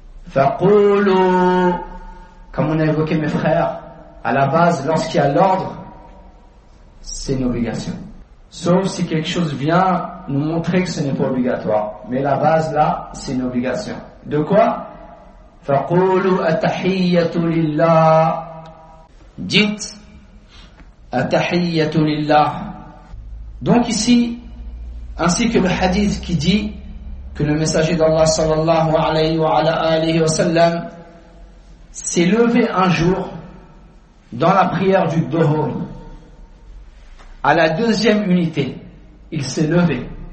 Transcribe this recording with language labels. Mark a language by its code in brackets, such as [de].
[fr] Faqulu, comme on a évoqué mes frères, à la base, lorsqu'il y a l'ordre, c'est une obligation. Sauf si quelque chose vient nous montrer que ce n'est pas obligatoire. Mais la base là, c'est une obligation. De quoi ? [ar] فَقُولُوا أَتَحِيَّةُ لِلَّهِ. [fr] Dites [ar] أَتَحِيَّةُ لِلَّهِ. [fr] Donc ici, ainsi que le hadith qui dit que le messager d'Allah sallallahu alayhi wa ala alihi wa sallam s'est levé un jour dans la prière du Dhuhr. À la deuxième unité, il s'est levé.